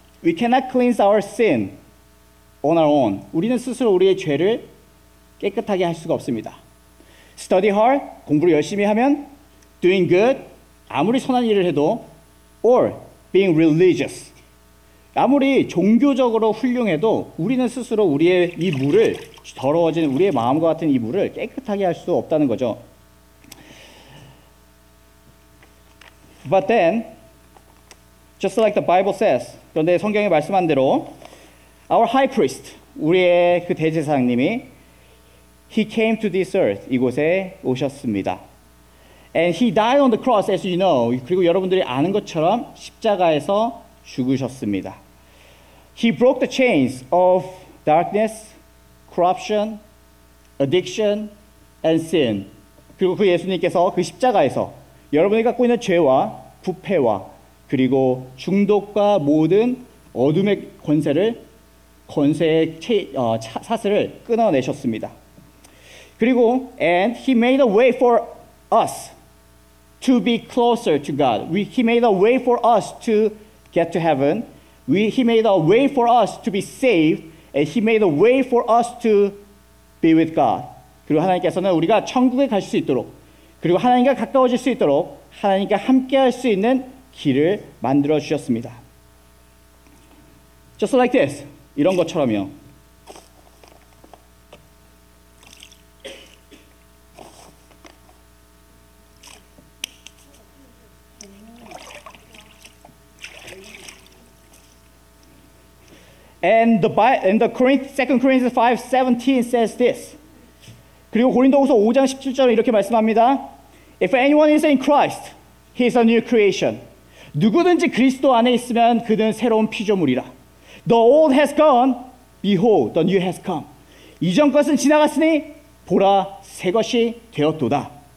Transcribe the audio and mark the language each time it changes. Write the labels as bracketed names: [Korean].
[English] We cannot cleanse our sin on our own. [Korean] 우리는 스스로 우리의 죄를 깨끗하게 할 수가 없습니다. [English] Study hard, [Korean] 공부를 열심히 하면, [English] doing good, [Korean] 아무리 선한 일을 해도, [English] or being religious, [Korean] 아무리 종교적으로 훌륭해도 우리는 스스로 우리의 이 물을 더러워진 우리의 마음과 같은 이 물을 깨끗하게 할 수 없다는 거죠. [English] But then, just like the Bible says, [Korean] 그런데 성경의 말씀한 대로 [English] our high priest, [Korean] 우리의 그 대제사장님이 [English] he came to this earth, [Korean] 이곳에 오셨습니다. [English] And he died on the cross, as you know. [Korean] 그리고 여러분들이 아는 것처럼 십자가에서 죽으셨습니다. [English] He broke the chains of darkness, corruption, addiction, and sin. [Korean] 그리고 그 예수님께서 그 십자가에서 여러분이 갖고 있는 죄와 부패와 그리고 중독과 모든 어둠의 권세를 권세의 사슬을 끊어내셨습니다. 그리고 [English] and he made a way for us to be closer to God. He made a way for us to get to heaven. He made a way for us to be saved. And he made a way for us to be with God. [Korean] 그리고 하나님께서는 우리가 천국에 갈 수 있도록 그리고 하나님과 가까워질 수 있도록 하나님과 함께 할 수 있는 길을 만들어 주셨습니다. [English] Just like this. [Korean] 이런 것처럼요. [English] And the Second Corinthians 5:17 says this. [Korean] 그리고 고린도후서 5장 17절 이렇게 말씀합니다. [English] If anyone is in Christ, he is a new creation. [Korean] 누구든지 그리스도 안에 있으면 그는 새로운 피조물이라. [English] The old has gone, behold, the new has come. [Korean] 이전 것은 지나갔으니 보라 새 것이 되었도다.